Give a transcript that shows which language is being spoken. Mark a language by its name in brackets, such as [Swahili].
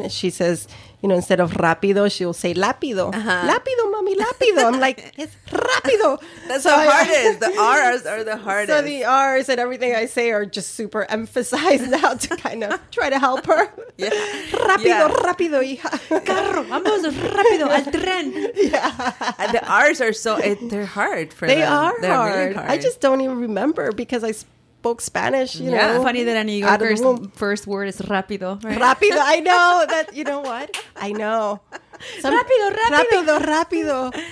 [English] Yeah. She says, you know, instead of rápido, she'll say lápido. Uh-huh. [Spanish] Lápido, mami, lápido. [English] I'm like, it's rápido. That's so the hardest. The R's are the hardest. So the R's and everything I say are just super emphasized now to kind of try to help her. Yeah. [Spanish] Rápido, yeah. Rápido, hija. Carro, vamos rápido al tren. [English] Yeah. And the R's are so, they're hard for they them. They are they're hard. Really hard. I just don't even remember because I spoke Spanish, you yeah. know. Funny that a New Yorker's first word is rápido. Right? Rápido, I know. That you know what? I know. [Spanish] So rápido, rápido. Rápido, rápido.